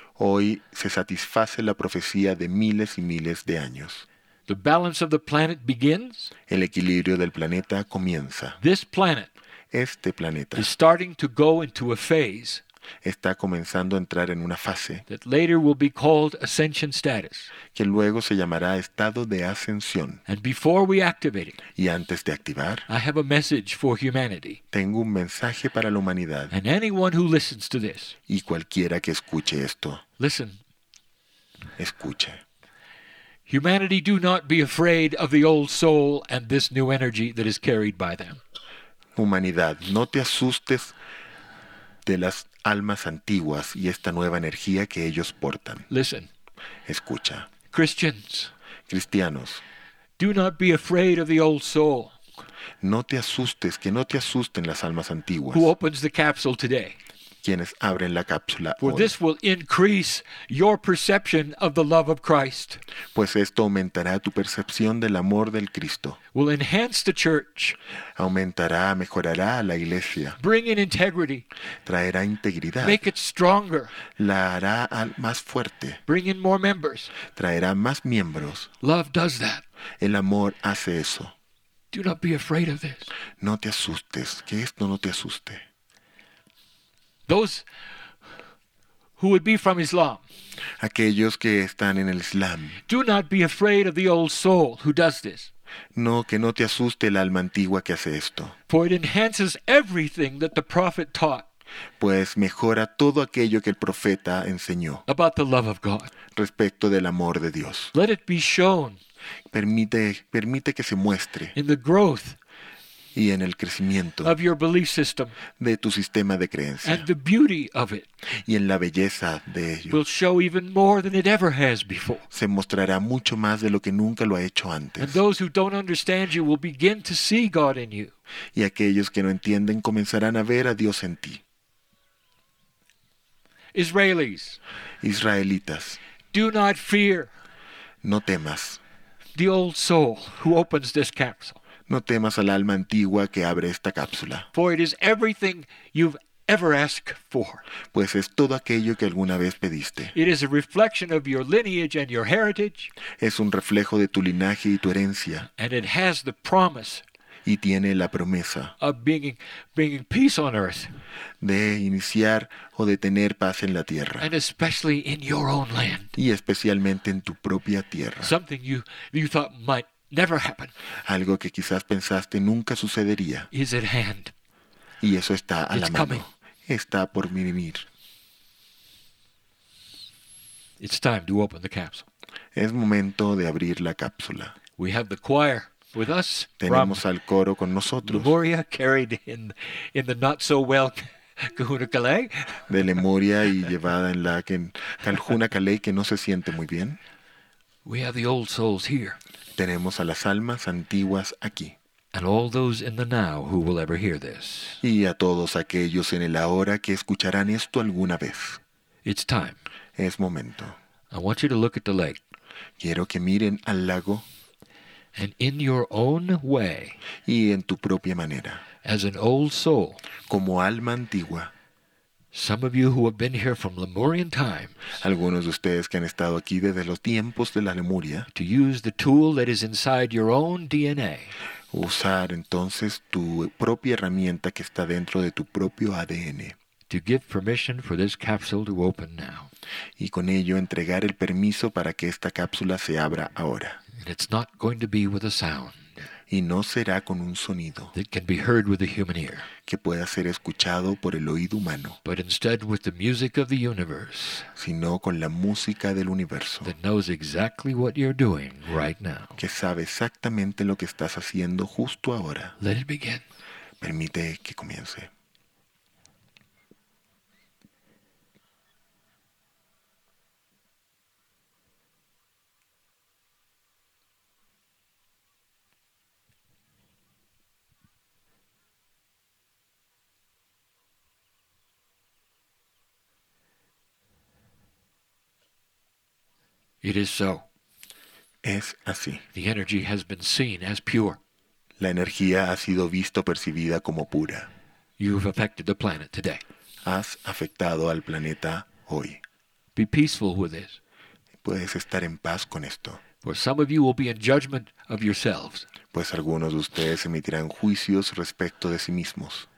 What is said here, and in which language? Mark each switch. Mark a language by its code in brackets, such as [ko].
[es] Hoy se satisface la profecía de miles y miles de años. [en] The balance of the planet begins. [es] El equilibrio del planeta comienza. [en] This planet [es] este planeta [en] is starting to go into a phase [es] está comenzando a entrar en una fase [en] that later will be called ascension status. [es] Que luego se llamará estado de ascensión. [en] And before we activate it, [es] y antes de activar, [en] I have a message for humanity. [es] Tengo un mensaje para la humanidad. [en] And anyone who listens to this, [es] y cualquiera que escuche esto, [en] listen, [es] escuche. [en] Humanity, do not be afraid of the old soul and this new energy that is carried by them. [es] Humanidad, no te asustes de las almas antiguas y esta nueva energía que ellos portan. [en] Listen. [es] Escucha. [en] Christians. [es] Cristianos. [en] Do not be afraid of the old soul. [es] No te asustes, que no te asusten las almas antiguas. [en] Who opens the capsule today? [es] Quienes abren la cápsula hoy. [en] For this will increase your perception of the love of Christ. [es] Pues esto aumentará tu percepción del amor del Cristo. [en] Will enhance the church. [es] Aumentará, mejorará a la iglesia. [en] Bring in integrity. [es] Traerá integridad. [en] Make it stronger. [es] La hará más fuerte. [en] Bring in more members. [es] Traerá más miembros. [en] Love does that. [es] El amor hace eso. [en] Do not be afraid of this. [es] No te asustes, que esto no te asuste. [en] Those who would be from Islam. [es] Aquellos que están en el Islam. [en] Do not be afraid of the old soul who does this. [es] No, que no te asuste el alma antigua que hace esto. [en] For it enhances everything that the prophet taught. [es] Pues mejora todo aquello que el profeta enseñó. [en] About the love of God. [es] Respecto del amor de Dios. [en] Let it be shown. [es] Permite que se muestre. [en] In the growth. [es] Y en el crecimiento [en] of your belief system, [es] de tu sistema de creencia [en] and the beauty of it, [es] y en la belleza de ello [en] will show even more than it ever has before. [es] Se mostrará mucho más de lo que nunca lo ha hecho antes. [en] And those who don't understand you will begin to see God in you. [es] Y aquellos que no entienden comenzarán a ver a Dios en ti. [en] Israelis, [es] israelitas, [en] do not fear. [es] No temas. [en] The old soul who opens this capsule. [es] No temas al alma antigua que abre esta cápsula. [en] For it is everything you've ever asked for. [es] Pues es todo aquello que alguna vez pediste. [en] It is a reflection of your lineage and your heritage. [es] Es un reflejo de tu linaje y tu herencia. [en] And it has the promise. [es] Y tiene la promesa. [en] Of bringing peace on earth. [es] De iniciar o de tener paz en la tierra. [en] And especially in your own land. [es] Y especialmente en tu propia tierra. [en] Something you thought might never happen. [es] Algo que quizás pensaste nunca sucedería. [en] Is at hand. [es] Y eso está a [en] it's [es] la mano. [en] Coming. [es] Está por venir. [en] It's time to open the capsule. [es] Es momento de abrir la cápsula. [en] We have the choir with us. [es] Tenemos al coro con nosotros. [en] Lemuria carried in the not so well Kahuna Kalei. [es] De Lemuria y llevada en la Kahuna Kalei que no se siente muy bien. [en] We have the old souls here. [es] Tenemos a las almas antiguas aquí. [en] And all those in the now who will ever hear this. [es] Y a todos aquellos en el ahora que escucharán esto alguna vez. [en] It's time. [es] Es momento. [en] I want you to look at the lake. [es] Quiero que miren al lago. [en] And in your own way. [es] Y en tu propia manera. [en] As an old soul. [es] Como alma antigua. [en] Some of you who have been here from Lemurian times, [es] algunos de ustedes que han estado aquí desde los tiempos de la Lemuria, [en] to use the tool that is inside your own DNA, [es] usar entonces tu propia herramienta que está dentro de tu propio ADN, [en] to give permission for this capsule to open now, [es] y con ello entregar el permiso para que esta cápsula se abra ahora. [en] And it's not going to be with a sound, [es] y no será con un sonido [en] that can be heard with the human ear, [es] que pueda ser escuchado por el oído humano, [en] but instead with the music of the universe, [es] sino con la música del universo, [en] that knows exactly what you're doing right now, [es] que sabe exactamente lo que estás haciendo justo ahora. [en] Let it begin. [es] Permite que comience. [en] It is so. [es] Es así. [en] The energy has been seen as pure. [es] La energía ha sido visto percibida como pura. [en] You have affected the planet today. [es] Has afectado al planeta hoy. [en] Be peaceful with this. [es] Puedes estar en paz con esto. [en] For some of you will be in judgment of yourselves. [es] Pues algunos de ustedes emitirán juicios respecto de sí mismos.